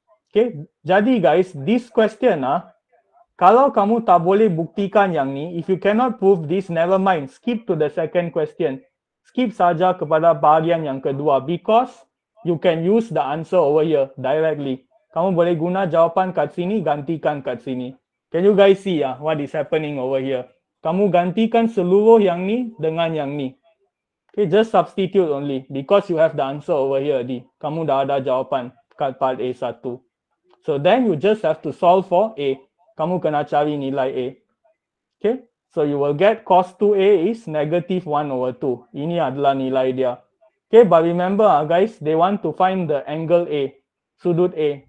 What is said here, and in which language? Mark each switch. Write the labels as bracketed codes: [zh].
[en] Okay, jadi guys, this question [ms] kalau kamu tak boleh buktikan yang ni, [en] if you cannot prove this, never mind. Skip to the second question. [ms] Skip saja kepada bahagian yang kedua [en] because you can use the answer over here directly. [ms] Kamu boleh guna jawapan kat sini, gantikan kat sini. [en] Can you guys see what is happening over here? [ms] Kamu gantikan seluruh yang ni dengan yang ni. [en] Okay, just substitute only because you have the answer over here. [ms] Kamu dah ada jawapan kat part A1. [en] So then you just have to solve for A. [ms] Kamu kena cari nilai A. [en] Okay, so you will get cos 2A is negative 1 over 2. [ms] Ini adalah nilai dia. [en] Okay, but remember guys, they want to find the angle A, [ms] sudut A.